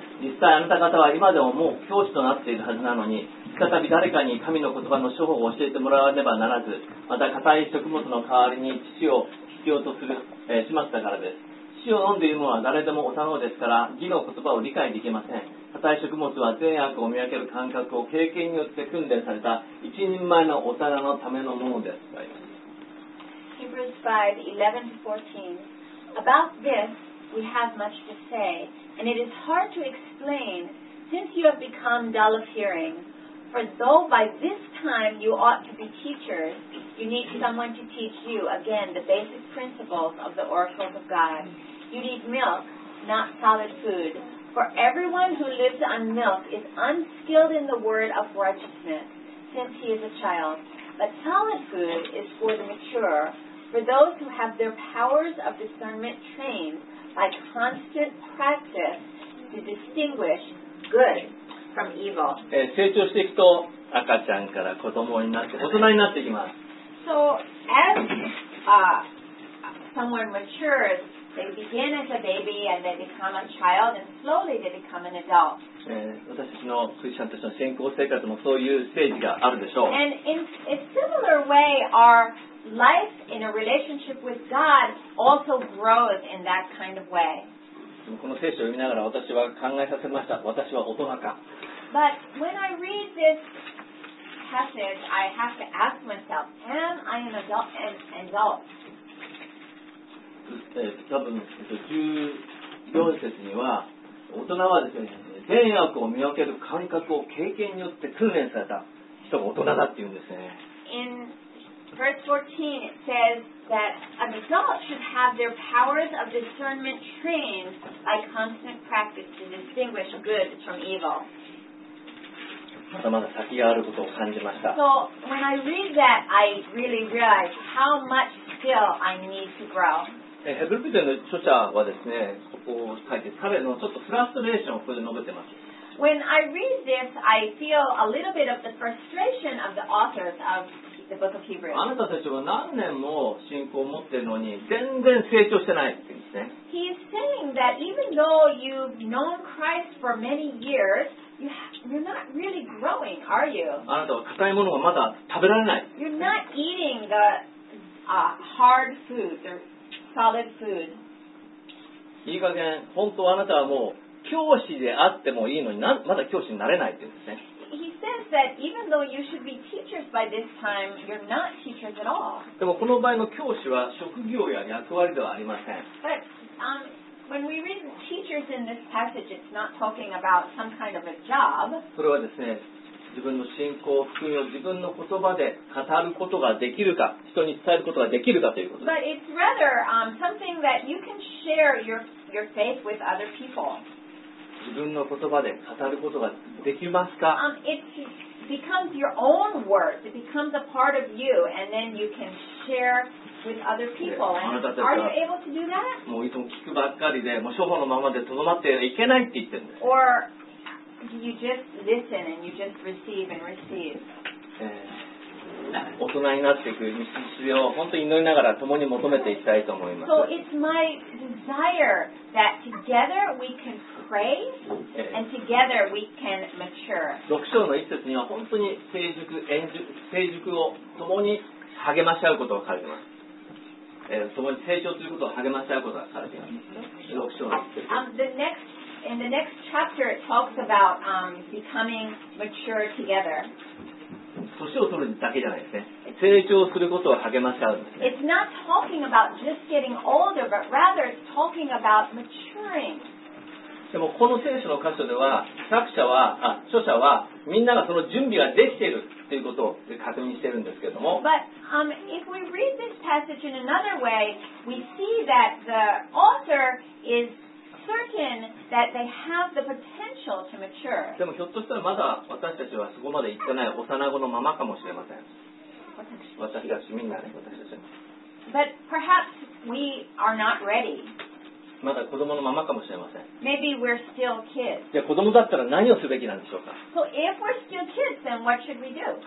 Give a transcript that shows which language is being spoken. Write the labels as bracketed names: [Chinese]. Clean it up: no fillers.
[Japanese] 実際あなた方は今でももう教師となっているはずなのに、再び誰かに神の言葉の処方を教えてもらわねばならず、また硬い食物の代わりに乳を必要とする、しましたからです。乳を飲んでいるものは誰でも幼いですから、義の言葉を理解できません。硬い食物は善悪を見分ける感覚を経験によって訓練された一人前の大人のためのものです。 [English] Hebrews 5:11-14. About this we have much to say, and it is hard to explain, since you have become dull of hearing. For though by this time you ought to be teachers, you need someone to teach you again the basic principles of the oracles of God. You need milk, not solid food. For everyone who lives on milk is unskilled in the word of righteousness, since he is a child. But solid food is for the mature, for those who have their powers of discernment trained by constant practice to distinguish good from evil. [Japanese] 成長していくと赤ちゃんから子供になって大人になっていきます。 [English] So as someone matures, they begin as a baby and they become a child and slowly they become an adult. [Japanese] 私たちのクリスチャンとしての信仰生活もそういうステージがあるでしょう。 [English] And in a similar way, our life in a relationship with God also grows in that kind of way. [Japanese] この聖書を読みながら私は考えさせました。私は大人か。 [English] But when I read this passage, I have to ask myself, am I an adult? An adult? [Japanese] 多分14節には大人はですね、善悪を見分ける感覚を経験によって訓練された人が大人だって言うんですね。 [English] In verse 14 it says that an adult should have their powers of discernment trained by constant practice to distinguish good from evil. [Japanese] まだまだ先があることを感じました。 [English] So when I read that, I really realize how much still I need to grow. [Japanese] ヘブル人の著者はですね、ここを書いて彼のちょっとフラストレーションをここで述べてます。 [English] When I read this, I feel a little bit of the frustration of the authors of the book of Hebrews. [Japanese] あなたたちは何年も信仰を持っているのに全然成長してないって言うんですね。 [English] He is saying that even though you've known Christ for many years, you're not really growing, are you? [Japanese] あなたは硬いものをまだ食べられない。 [English] You're not eating the hard foods or solid food. [Japanese] いい加減、本当はあなたはもう教師であってもいいのに、まだ教師になれないって言うんですね。 [English] He says that even though you should be teachers by this time, you're not teachers at all. [Japanese] でもこの場合の教師は職業や役割ではありません。 [English] But, when we read teachers in this passage, it's not talking about some kind of a job. [Japanese] それはですね、自分の信仰、福音を自分の言葉で語ることができるか、人に伝えることができるかということです。 [English] But it's rather, something that you can share your faith with other people. [Japanese] 自分の言葉で語ることができますか？ [English] It becomes your own words. It becomes a part of you, and then you can share with other people. Are you able to do that? [Japanese] もういつも聞くばっかりで、もう処方のままでとどまっていけないって言ってるんです。 [English] Or,You just listen and you just receive and receive. [Japanese] 大人になっていく道筋を本当に祈りながら共に求めていきたいと思います。 [English] So it's my desire that together we can pray and together we can mature. [Japanese] 6章の1節には本当に成熟を共に励まし合うことが書いてます。共に成長ということを励まし合うことが書いてます。 6章の1節。 [English] In the next chapter, it talks about becoming mature together. [Japanese] 年を取るだけじゃないですね。成長することを励まし合うんですね。 [English] It's not talking about just getting older, but rather it's talking about maturing. [Japanese] でもこの聖書の箇所では、著者はみんながその準備ができているということを確認しているんですけれども。 [English] But if we read this passage in another way, we see that the author is certain that they have the potential to mature. [Japanese] でもひょっとしたらまだ私たちはそこまで行ってない幼子のままかもしれません。私たちみんなね、私たち。 [English] But perhaps we are not ready. [Japanese] まだ子供のままかもしれません。 [English] Maybe we're still kids. [Japanese] じゃあ子供だったら何をすべきなんでしょうか。 [English] So if we're still kids, then what should we do?